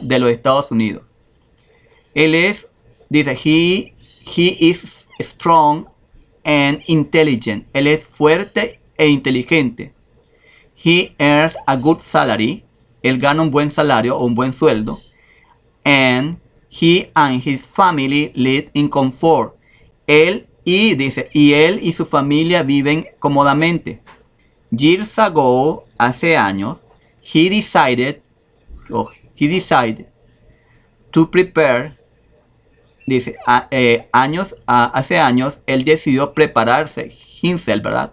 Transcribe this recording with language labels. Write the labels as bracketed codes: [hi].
[es] De los Estados Unidos. Él es, dice, [en] he is strong and intelligent. [es] Él es fuerte e inteligente. [en] He earns a good salary. [es] Él gana un buen salario o un buen sueldo. [en] And he and his family live in comfort. [es] Él y su familia viven cómodamente. [en] Years ago, [es] hace años, hace años, él decidió prepararse, himself, ¿verdad?